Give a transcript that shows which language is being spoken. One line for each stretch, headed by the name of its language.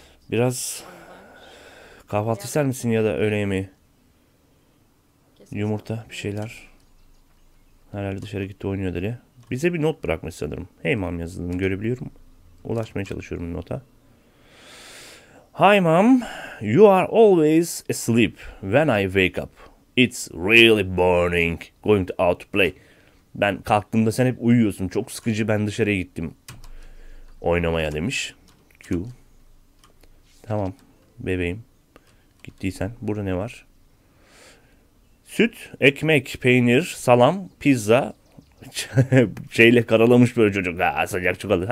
Turkish: Biraz kahvaltı ister misin ya da öğle yemeği? Yumurta bir şeyler. Herhalde dışarı gitti oynuyor dedi. Bize bir not bırakmış sanırım.
English: Hey mom
Turkish: yazdığını görebiliyorum. Ulaşmaya çalışıyorum nota.
English: Hi mom, you are always asleep when I wake up. It's really boring going out to play.
Turkish: Ben kalktığımda sen hep uyuyorsun. Çok sıkıcı. Ben dışarıya gittim oynamaya demiş. Q. Tamam bebeğim. Gittiysen burada ne var? Süt, ekmek, peynir, salam, pizza. Şeyle karalamış böyle çocuk. Ha, sıcak çikolata.